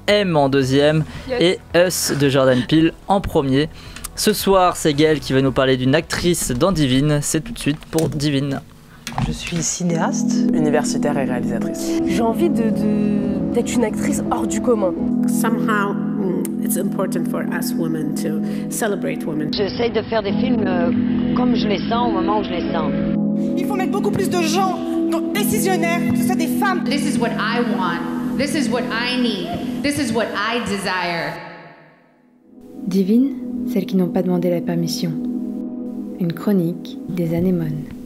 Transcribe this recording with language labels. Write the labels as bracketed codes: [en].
[fr] M en deuxième et Us de Jordan Peele en premier. Ce soir, c'est Gaëlle qui va nous parler d'une actrice dans Divine. C'est tout de suite pour Divine. Je suis cinéaste, universitaire et réalisatrice. J'ai envie d'être une actrice hors du commun. [en] Somehow, it's important for us women to celebrate women. [fr] J'essaie de faire des films comme je les sens, au moment où je les sens. Il faut mettre beaucoup plus de gens, donc décisionnaires, que ce soit des femmes. [en] This is what I want. This is what I need. This is what I desire. [fr] Divine, celles qui n'ont pas demandé la permission. Une chronique des anémones.